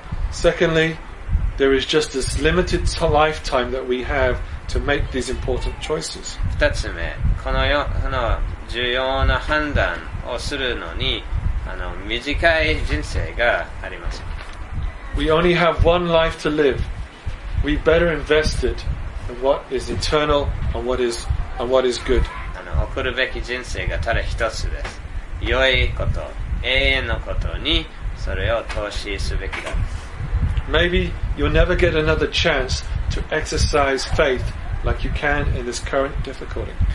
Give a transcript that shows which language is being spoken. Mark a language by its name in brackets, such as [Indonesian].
[English] Secondly, there is just this limited lifetime that we have to make these important choices. [Japanese] 二つ目、この重要な判断をするのに短い人生があります。 [English] We only have one life to live. We better invest it in what is eternal and what is good. [Japanese] 送るべき人生がただ一つです。良いこと、永遠のことにそれを投資すべきだ。 [English] Maybe you'll never get another chance to exercise faith like you can in this current difficulty.